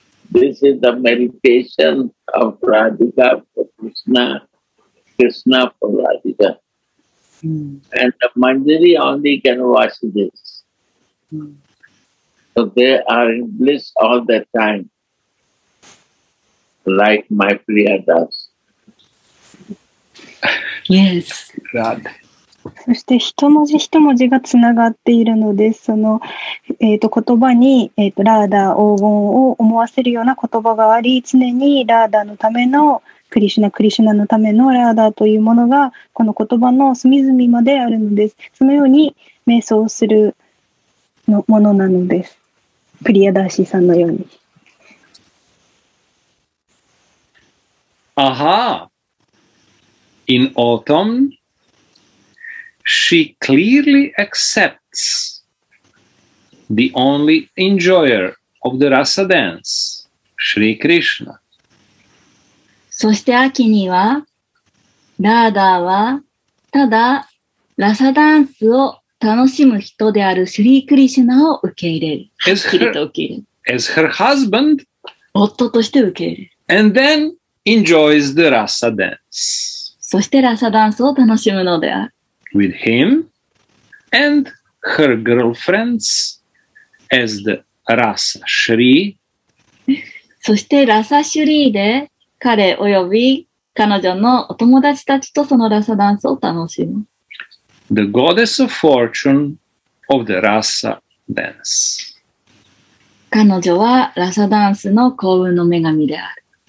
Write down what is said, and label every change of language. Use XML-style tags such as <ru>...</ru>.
<en>This is the meditation of Radhika for Krishna, Krishna for Radhika. Mm-hmm. And the Manjari only can watch this. Mm-hmm. So they are in bliss all the time, like my Priya does. Yes. Radha.</en> <ja>そして一文字一文字がつながっているのです。その、言葉に、ラーダ黄金を思わせるような言葉があり、常にラーダのためのクリシュナ、クリシュナのためのラーダというものがこの言葉の隅々まであるのです。そのように瞑想するのものなのです。プリヤダーシーさんのように。</ja> <en>あは In autumnShe clearly accepts the only enjoyer of the rasa dance, Shri Krishna.</en> <ja>そして秋にはラーダはただラサダンスを楽しむ人であるシュリー・クリシュナを受け入れる。</ja> <en>As her husband,</en> <ja>夫として受け入れる。</ja> <en>And then enjoys the rasa dance.</en> <ja>そしてラサダンスを楽しむのである。</ja> <en>With him and her girlfriends as the Rasa Shri.</en> <ja>そしてラサシュリーで彼および彼女のお友達たちとそのラサダンスを楽しむ。</ja> <en>The goddess of fortune of the Rasa dance.</en> <ja>彼女はラサダンスの幸運の女神である。</ja>